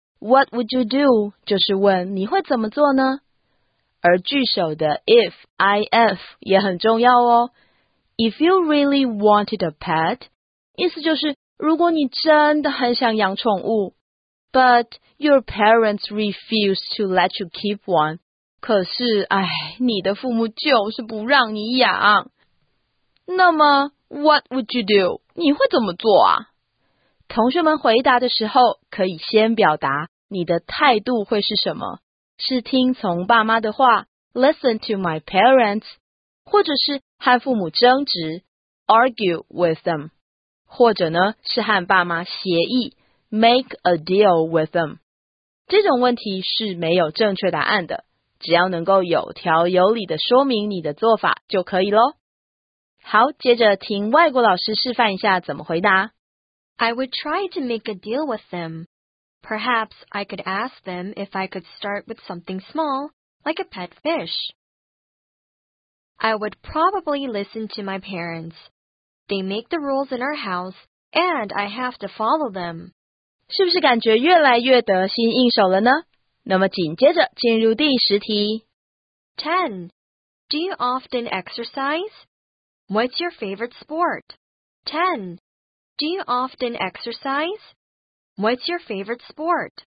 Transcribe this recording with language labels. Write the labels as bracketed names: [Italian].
[English] What would you do? [Chinese] 就是问你会怎么做呢？而句首的 if, if 也很重要哦。 [English] If you really wanted a pet, [Chinese] 意思就是如果你真的很想养宠物。 [English] But your parents refuse to let you keep one. [Chinese] 可是哎，你的父母就是不让你养。那么 [English] what would you do? [Chinese] 你会怎么做啊？同学们回答的时候可以先表达你的态度会是什么，是听从爸妈的话 [English] listen to my parents, [Chinese] 或者是和父母争执 [English] argue with them, [Chinese] 或者呢是和爸妈协议 [English] make a deal with them。 [Chinese] 这种问题是没有正确答案的，只要能够有条有理的说明你的做法就可以咯。好，接着听外国老师示范一下怎么回答。 [English] I would try to make a deal with them. Perhaps I could ask them if I could start with something small, like a pet fish. I would probably listen to my parents. They make the rules in our house, and I have to follow them. [Chinese] 是不是感觉越来越得心应手了呢？那么紧接着进入第十题。 [English] 10. Do you often exercise? What's your favorite sport? 10. Do you often exercise? What's your favorite sport?